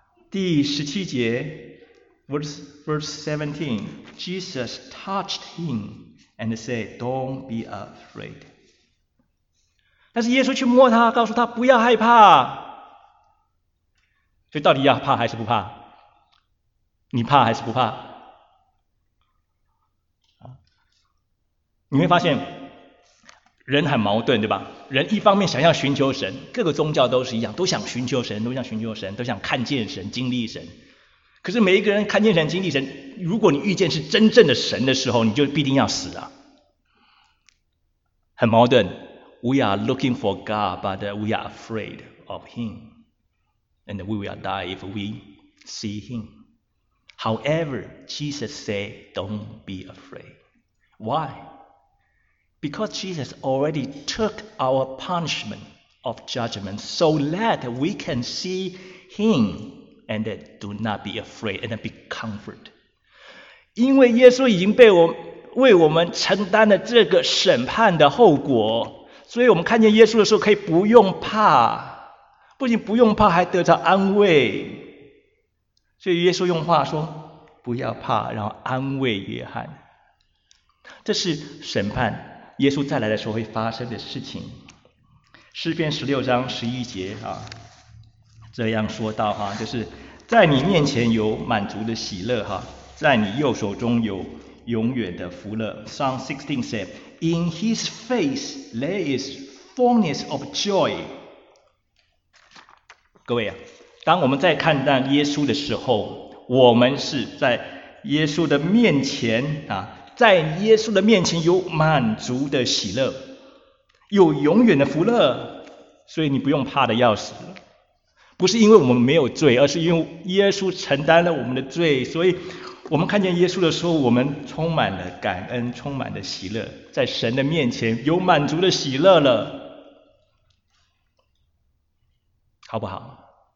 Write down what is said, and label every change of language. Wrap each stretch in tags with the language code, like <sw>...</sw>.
<zh>第十七节</zh> <en>，verse 17， Jesus touched him and said, "Don't be afraid."</en> <zh>但是耶稣去摸他，告诉他不要害怕。所以到底要怕还是不怕？你怕还是不怕？你会发现人很矛盾，对吧？人一方面想要寻求神，各个宗教都是一样，都想寻求神，都想寻求神，都想看见神，经历神。可是每一个人看见神，经历神，如果你遇见是真正的神的时候，你就必定要死啊。很矛盾。</zh> <en>We are looking for God, but we are afraid of Him. And we will die if we see Him. However, Jesus said, don't be afraid. Why? Because Jesus already took our punishment of judgment so that we can see Him and do not be afraid and be comforted.</en> <zh>因为耶稣已经为我们承担了这个审判的后果，所以我们看见耶稣的时候可以不用怕，不仅不用怕，还得到安慰。所以耶稣用话说，不要怕，然后安慰约翰。这是审判，耶稣再来的时候会发生的事情。诗篇十六章十一节啊，这样说到哈，就是在你面前有满足的喜乐哈，在你右手中有永远的福乐。</zh> <en>Psalm 16 said, In His face there is fullness of joy.</en> <zh>各位啊，当我们在看到耶稣的时候，我们是在耶稣的面前啊。在耶稣的面前有满足的喜乐，有永远的福乐。所以你不用怕的要死了。不是因为我们没有罪，而是因为耶稣承担了我们的罪，所以我们看见耶稣的时候，我们充满了感恩，充满了喜乐，在神的面前有满足的喜乐了，好不好？</zh>